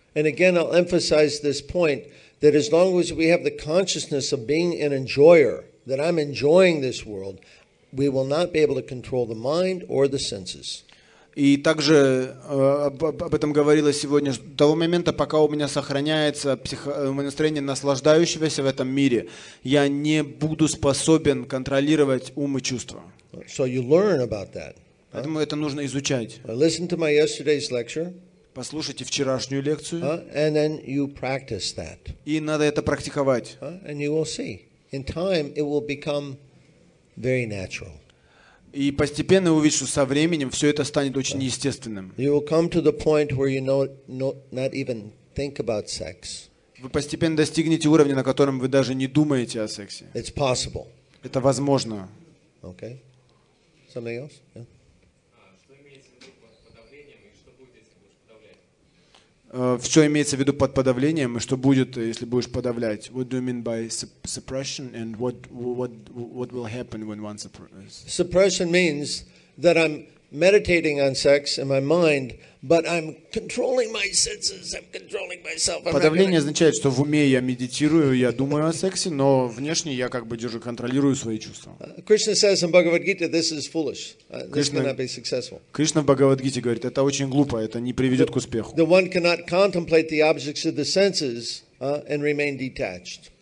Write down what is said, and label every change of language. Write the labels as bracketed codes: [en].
[en] And again, I'll emphasize this point, that as long as we have the consciousness of being an enjoyer, that I'm enjoying this world, we will not be able to control the mind or the senses. [ru] И также об этом говорилось сегодня, до того момента, пока у меня сохраняется настроение наслаждающегося в этом мире, я не буду способен контролировать ум и чувства. [en] So you learn about that, huh? [ru] Поэтому это нужно изучать. [en] Listen to my yesterday's lecture. [ru] Послушайте вчерашнюю лекцию. [en] And then you practice that. [ru] И надо это практиковать. [en] And you will see. In time it will become very natural. [ru] И постепенно увидишь, что со временем все это станет очень естественным. [en] You will come to the point where you not even think about sex. [ru] Вы постепенно достигнете уровня, на котором вы даже не думаете о сексе. [en] It's possible. [ru] Это возможно. [en] Okay. Something else? Yeah. [ru] Что имеется в виду под подавлением, и что будет, если будешь подавлять? [en] What do you mean by suppression, and what will happen when one suppresses? Suppression means that I'm meditating on sex in my mind, but I'm controlling my senses, I'm controlling myself. [ru] Подавление означает, что в уме я медитирую, я думаю о сексе, но внешне я как бы держу, контролирую свои чувства. [en] Krishna says in Bhagavad-gita, this is foolish. This cannot be successful. [ru] Кришна в Бхагавад-гите говорит, это очень глупо, это не приведет к успеху. [en] The one cannot contemplate the objects of the senses and remain detached.